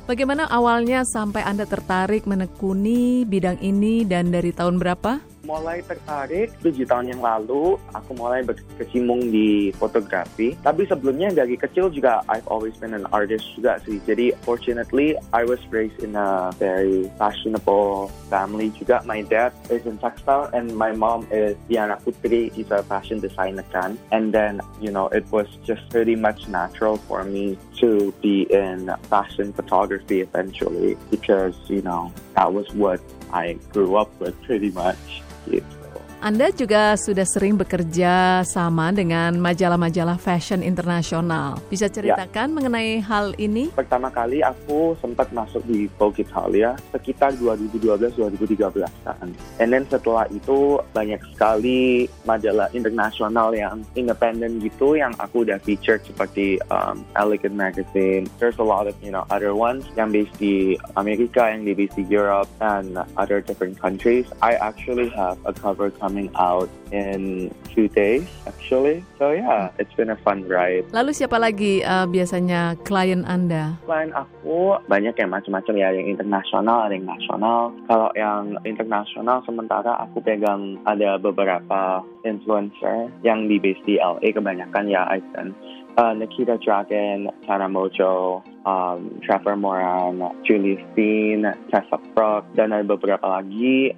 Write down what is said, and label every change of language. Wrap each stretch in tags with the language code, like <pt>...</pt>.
<id>Bagaimana awalnya sampai Anda tertarik menekuni bidang ini dan dari tahun berapa? Mulai tertarik 7 tahun yang lalu, aku mulai berkecimpung di fotografi. Tapi sebelumnya dari kecil juga</id> <en>I've always been an artist</en> <id>juga sih.</id> <en>Jadi fortunately I was raised in a very fashionable family juga. My dad is in textile and my mom is Diana Putri. She's a fashion designer kan. And then you know it was just pretty much natural for me to be in fashion photography eventually, because you know that was what I grew up with pretty much.</en> <id>Anda juga sudah sering bekerja sama dengan majalah-majalah fashion internasional. Bisa ceritakan mengenai hal ini? Pertama kali aku sempat masuk di Vogue Italia sekitar 2012-2013an. And then setelah itu banyak sekali majalah internasional yang independent gitu yang aku udah featured seperti Elegant Magazine.</id> <en>There's a lot of you know other ones yang based di Amerika, yang based di Europe and other different countries. I actually have a cover coming out in 2 days actually. So yeah, it's been a fun ride.</en> <id>Lalu siapa lagi biasanya klien Anda? Klien aku banyak yang macam-macam ya, yang internasional, ada yang nasional. Kalau yang internasional sementara aku pegang ada beberapa influencer yang di base di LA kebanyakan ya,</id> <en>I've done</en> <id>Nikita Dragon, Tana Mojo, Trevor Moran, Julie Steen, Tessa Brock, dan ada beberapa lagi.</id>